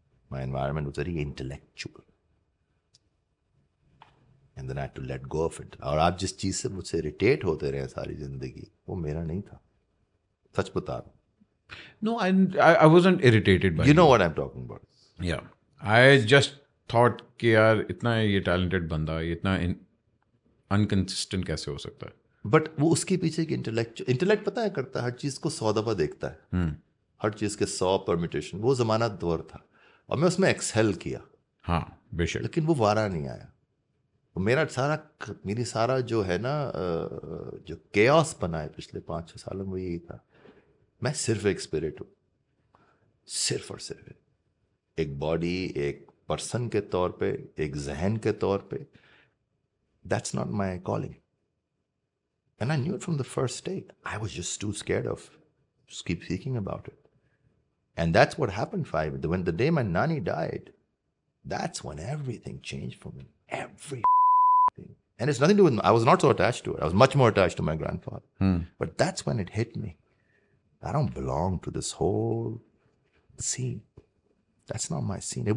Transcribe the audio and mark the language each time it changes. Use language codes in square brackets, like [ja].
[en] My environment was very intellectual. And then I had to let go of it. [ur] اور آپ جس چیز سے مجھ سے irritate ہوتے رہے ہیں ساری زندگی, وہ میرا نہیں تھا. سچ بتا رہا ہوں. [en] No, I wasn't irritated by you. You know what I'm talking about. Yeah. I just thought [ur] کہ یار اتنا یہ talented بندہ اتنا inconsistent کیسے ہو سکتا ہے. But وہ اس کے پیچھے ایک intellect پتا ہے کرتا ہے, ہر چیز کو 100 times دیکھتا ہے. ہر چیز کے 100 permutations. وہ زمانہ دور تھا. اور میں اس میں ایکسل کیا, ہاں بے شک, لیکن وہ وارا نہیں آیا. میرا سارا میری سارا جو ہے نا جو کیاس بنا ہے پچھلے 5-6 سالوں میں, وہ یہی تھا. میں صرف ایک اسپرٹ ہوں, صرف اور صرف ایک باڈی, ایک پرسن کے طور پہ, ایک ذہن کے طور پہ. [en] That's not my calling, and I knew it from the first day. I was just too scared of just keep thinking about it. And that's what happened five. When the day my nanny died, that's when everything changed for me. Everything. And it's nothing to do with me. I was not so attached to it. I was much more attached to my grandfather. But that's when it hit me. I don't belong to this whole scene. That's not my scene.